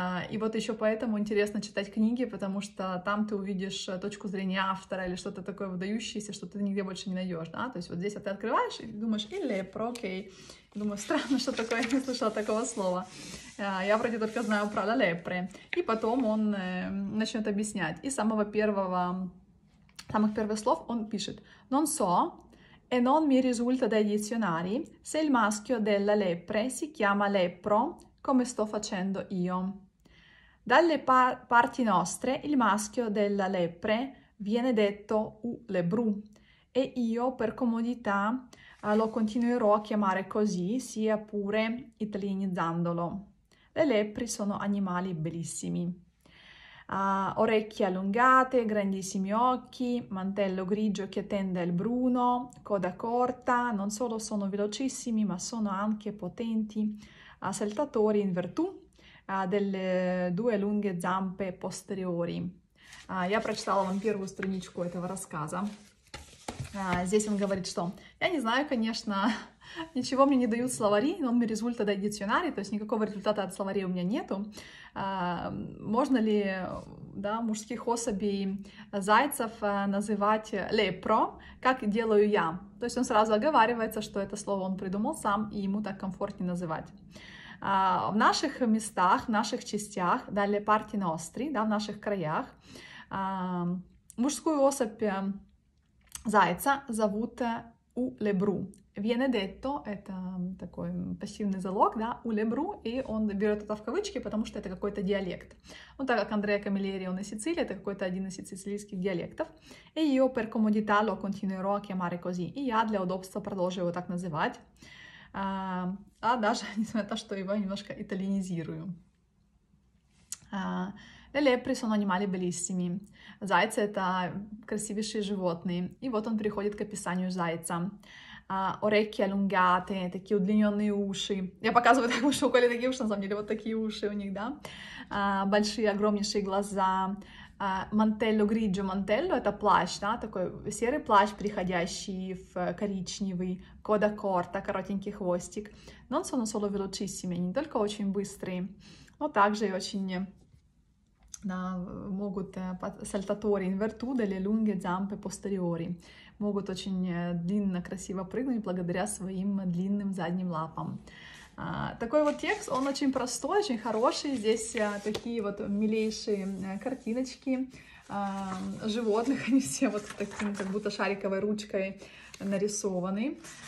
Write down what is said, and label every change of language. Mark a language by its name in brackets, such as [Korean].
[Russian] И вот еще поэтому интересно читать книги, потому что там ты увидишь точку зрения автора или что-то такое выдающееся, что ты нигде больше не найдешь. Да? То есть вот здесь ты открываешь и думаешь, il lepro, окей. Думаю, странно, что такое, я не слышала такого слова. Я вроде только знаю про la lepre. И потом он начнет объяснять. И самых первых слов он пишет [Italian] «non so». E non mi risulta dai dizionari se il maschio della lepre si chiama lepro, come sto facendo io. Dalle pa parti nostre il maschio della lepre viene detto u lebru e io per comodità lo continuerò a chiamare così, sia pure italianizzandolo. Le lepri sono animali bellissimi. Orecchie allungate, grandissimi occhi, mantello grigio che tende al bruno, coda corta, non solo sono velocissimi, ma sono anche potenti saltatori in virtù delle 2 lunghe zampe posteriori. Io ho letto la prima pagina di questo racconto. [Russian] Здесь он говорит, что я не знаю, конечно, ничего мне не дают словари, [Italian] non mi risulta dai dizionari, [Russian] то есть никакого результата от словарей у меня нету. Можно ли, да, мужских особей зайцев называть лепро, как делаю я? То есть он сразу оговаривается, что это слово он придумал сам, и ему так комфортнее называть. В наших местах, в наших частях, да, [Italian] le parti nostri, [Russian] да, в наших краях, мужскую особь зайца зовут улебру. [Italian] Viene detto, [Russian] это такой пассивный залог, да, улебру, и он берет это в кавычки, потому что это какой-то диалект. Ну, так как Андреа Камилери, он из Сицилии, это какой-то один из сицилийских диалектов. [Italian] E io per comodità lo continuerò a chiamare così. [Russian] И я для удобства продолжу его так называть. А даже несмотря на то, что его немножко итальянизирую. [Italian] Le lepri sono animali bellissimi. [Russian] Зайцы — это красивейшие животные. И вот он приходит к описанию зайца. Орехи allungate, такие удлиненные уши. Я показываю так, что у Коли такие уши, на самом деле, вот такие уши у них, да? Большие, огромнейшие глаза. [Italian] Mantello grigio. [Russian] Mantello — это плащ, да? Такой серый плащ, приходящий в коричневый. [Italian] Coda corta [Russian] — коротенький хвостик. [Italian] Non sono solo velocissimi, [Russian] не только очень быстрые, но также и очень... Да, могут сальтатори [Italian] invertude, le lunghe zampe posteriori. [Russian] Могут очень длинно, красиво прыгнуть благодаря своим длинным задним лапам. Такой вот текст, он очень простой, очень хороший. Здесь такие вот милейшие картиночки животных. Они все вот таким, как будто шариковой ручкой нарисованы.